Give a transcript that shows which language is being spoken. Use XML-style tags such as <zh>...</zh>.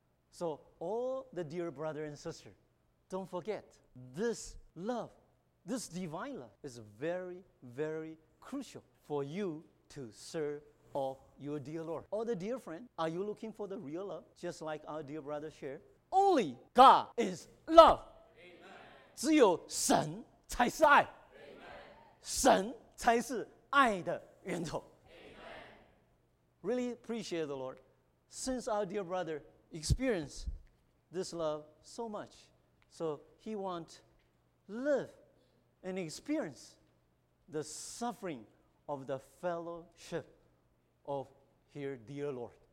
<en>So all the dear brother and sister, don't forget, this love, this divine love is very, very crucial for you to serve of your dear Lord. Or the dear friend, are you looking for the real love? Just like our dear brother shared, only God is love. Amen.</en> <zh>只有神才是爱，神才是爱的源头。</zh> <en>Really appreciate the Lord. Since our dear brother experienced this love so much, so he want to live and experience the suffering of the fellowship of his dear Lord.</en>